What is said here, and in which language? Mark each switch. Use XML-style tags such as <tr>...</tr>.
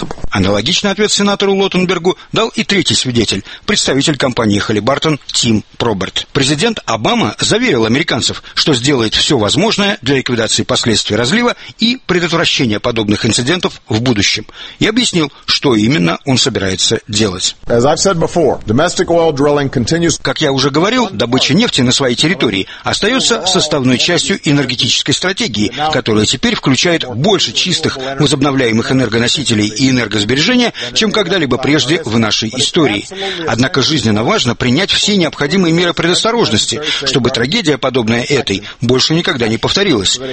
<ru>Аналогичный ответ сенатору Лоттенбергу дал и третий свидетель, представитель компании Halliburton Тим Проберт. Президент Обама заверил американцев, что сделает все возможное для ликвидации последствий разлива и предотвращения подобных инцидентов в будущем. И объяснил, что именно он собирается делать.</ru> <en>As I've said before, domestic oil drilling continues.</en> <ru>Как я уже говорил, добыча нефти на своей территории остается составной частью энергетической стратегии, которая теперь включает больше чистых возобновляемых энергоносителей и энергосбережения, чем когда-либо прежде в нашей истории. Однако жизненно важно принять все необходимые меры предосторожности, чтобы трагедия, подобная этой, больше никогда не повторилась.</ru>